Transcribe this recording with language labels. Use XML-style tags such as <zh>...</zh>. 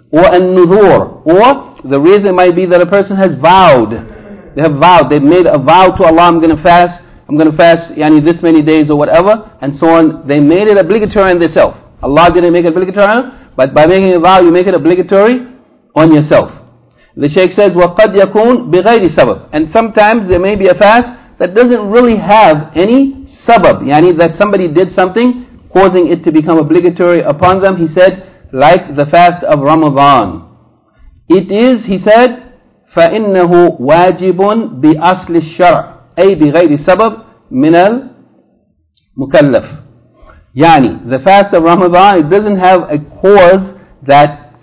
<en>Or an-nudhur, or the reason might be that a person has vowed. They have vowed. They've made a vow to Allah, I'm going to fast. I'm going to fast yani this many days or whatever. And so on. They made it obligatory on themselves. Allah didn't make it obligatory on them. But by making a vow, you make it obligatory on yourself. The Shaykh says,</en> <ar>وَقَدْ يَكُونْ بِغَيْرِ سَبَبْ.</ar> <en>And sometimes there may be a fast that doesn't really have any sabab. Yani that somebody did something causing it to become obligatory upon them. He said, like the fast of Ramadan. It is, he said,</en> <ar>فَإِنَّهُ وَاجِبٌ بِأَصْلِ الشَّرْعِ أي بِغَيْرِ سَبَبٍ مِنَ الْمُكَلَّفِ.</ar> <en>Yani, the fast of Ramadan, it doesn't have a cause that</en>